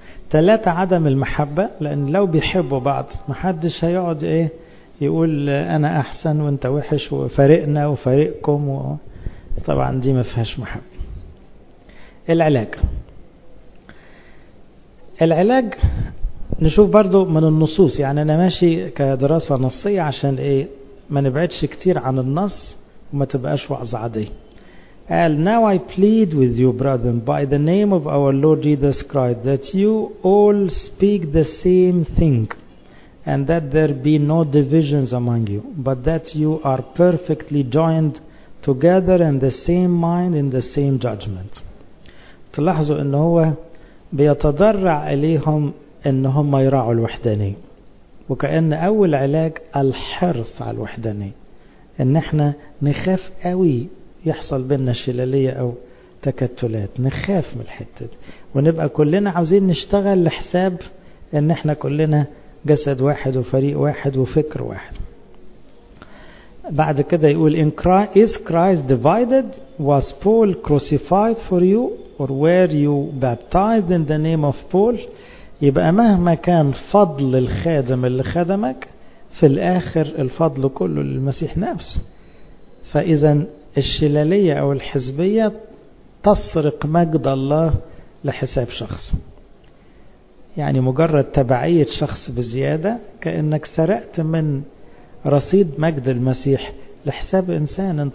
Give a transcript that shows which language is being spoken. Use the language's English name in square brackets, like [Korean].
[Arabic] 3 عدم المحبة، لأن لو بيحبوا بعض محدش هيقعد إيه يقول أنا أحسن وأنت وحش وفريقنا وفريقكم، وطبعا دي ما فيهاش محبة. العلاج نشوف برضو من النصوص، يعني أنا ماشي كدراسة نصية عشان إيه ما نبعدش كتير عن النص وما تبقاش وعظ عادية. قال [English] Now I plead with you brethren by the name of our Lord Jesus Christ that you all speak the same thing and that there be no divisions among you but that you are perfectly joined together in the same mind in the same judgment. [Arabic] تلاحظوا ان هو بيتضرع اليهم ان هم يراعوا الوحدانية، وكأن اول علاج الحرص على الوحدانية، ان احنا نخاف قوي يحصل بيننا شلالية او تكتلات، نخاف من الحتة دي، ونبقى كلنا عاوزين نشتغل لحساب ان احنا كلنا جسد واحد وفريق واحد وفكر واحد. بعد كده يقول إن [English] is Christ divided was Paul crucified for you or were you baptized in the name of Paul. [Arabic] يبقى مهما كان فضل الخادم اللي خدمك في الآخر الفضل كله للمسيح نفسه. فإذا الشلالية أو الحزبية تسرق مجد الله لحساب شخص، يعني مجرد تبعية شخص بزيادة كأنك سرقت من رصيد مجد المسيح لحساب إنسان.